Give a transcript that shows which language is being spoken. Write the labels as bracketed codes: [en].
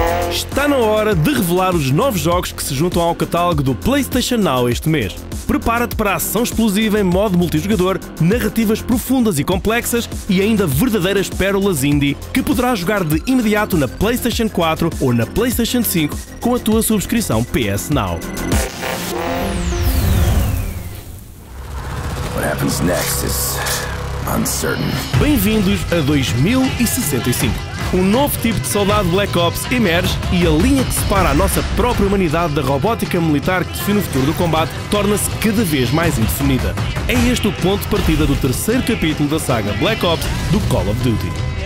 [pt] Está na hora de revelar os novos jogos que se juntam ao catálogo do PlayStation Now este mês. Prepara-te para a ação explosiva em modo multijogador, narrativas profundas e complexas e ainda verdadeiras pérolas indie que poderás jogar de imediato na PlayStation 4 ou na PlayStation 5 com a tua subscrição PS Now. [en] What happens next is uncertain. [pt] Bem-vindos a 2065. Um novo tipo de soldado Black Ops emerge e a linha que separa a nossa própria humanidade da robótica militar que define o futuro do combate torna-se cada vez mais indefinida. É este o ponto de partida do terceiro capítulo da saga Black Ops do Call of Duty.